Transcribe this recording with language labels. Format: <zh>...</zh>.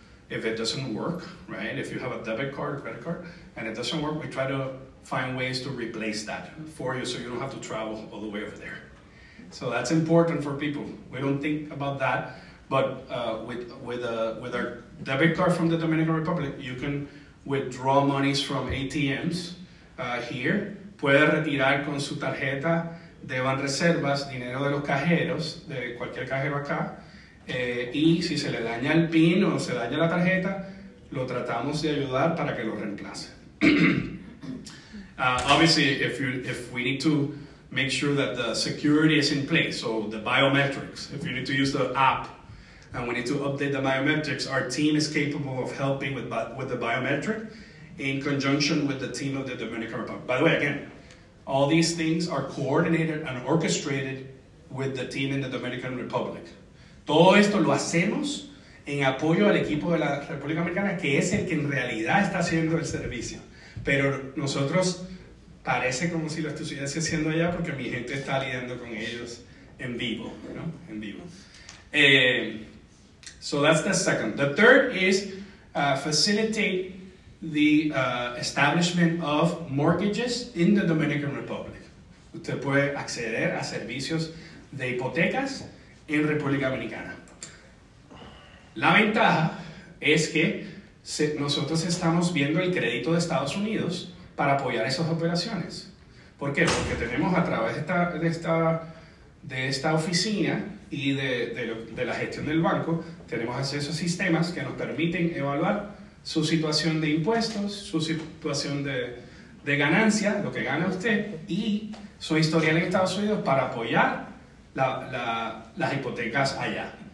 <en>if it doesn't work, right? If you have a debit card, credit card, and it doesn't work, we try to find ways to replace that for you so you don't have to travel all the way over there. So that's important for people. We don't think about that, but with our debit card from the Dominican Republic, you can withdraw monies from ATMs here.</en> <es>Puede retirar con su tarjeta de Banreservas dinero de los cajeros, de cualquier cajero acá. Y si se le daña el PIN o se daña la tarjeta, lo tratamos de ayudar para que lo reemplace.</es> <en>Obviously, if we need to make sure that the security is in place, so the biometrics, if you need to use the app and we need to update the biometrics, our team is capable of helping with the biometric in conjunction with the team of the Dominican Republic. By the way, again, all these things are coordinated and orchestrated with the team in the Dominican Republic.</en> <es>Todo esto lo hacemos en apoyo al equipo de la República Americana, que es el que en realidad está haciendo el servicio. Pero nosotros parece como si lo estuviese haciendo allá porque mi gente está lidiando con ellos en vivo, ¿no? En vivo.</es> <en>So that's the second. The third is facilitate the establishment of mortgages in the Dominican Republic.</en> <es>Usted puede acceder a servicios de hipotecas en República Dominicana. La ventaja es que nosotros estamos viendo el crédito de Estados Unidos para apoyar esas operaciones. ¿Por qué? Porque tenemos a través de esta oficina y de la gestión del banco, tenemos acceso a sistemas que nos permiten evaluar su situación de impuestos, su situación de ganancia, lo que gana usted, y su historial en Estados Unidos para apoyar las hipotecas allá.</es>